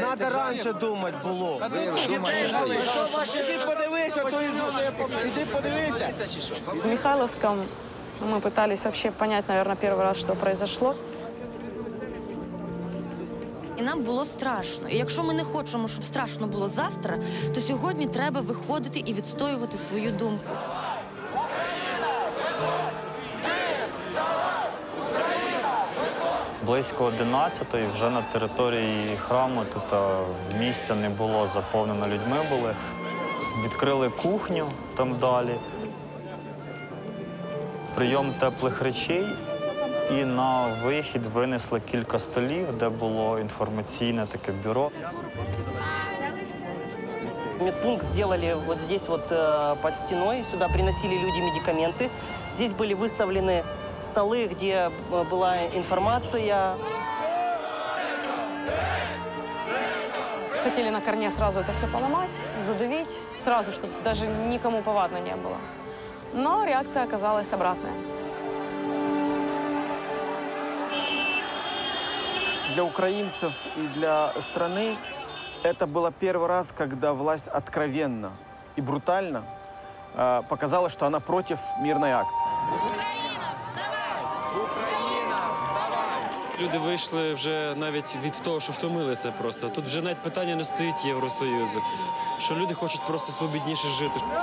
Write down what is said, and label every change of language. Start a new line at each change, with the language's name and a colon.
Ukrainian: Надо раніше думати було. Що, ваші, іди подивися, то іди подивися.
Russian: В Михайловському мы пытались вообще понять, наверное, первый раз, что произошло. И нам было страшно. И если мы не хотим, чтобы страшно было завтра, то сегодня нужно выходить и отстоять свою думку. Близько 11:00 уже на территории храма, тут места не было, заполнено людьми были. Открыли кухню там далі.
Ukrainian: Прийом теплих речей, і на вихід винесли кілька столів, де було інформаційне таке бюро. Медпункт зробили
Russian: от здесь,
Ukrainian: от під стіною. Сюди приносили люди медикаменти. Тут були виставлені столи, де була інформація. Хотіли на корні
Russian: сразу
Ukrainian: це все поламати, задавити, сразу, щоб навіть нікому повадно не було.
Russian: Но реакція оказалась обратная. Для украинцев и для страны это было первый раз, когда власть откровенно и брутально показала, что она против мирной акции.
Ukrainian: Люди вийшли вже навіть від того, що втомилися просто. Тут вже навіть питання не стоїть Євросоюзу, що люди хочуть просто свобідніше жити.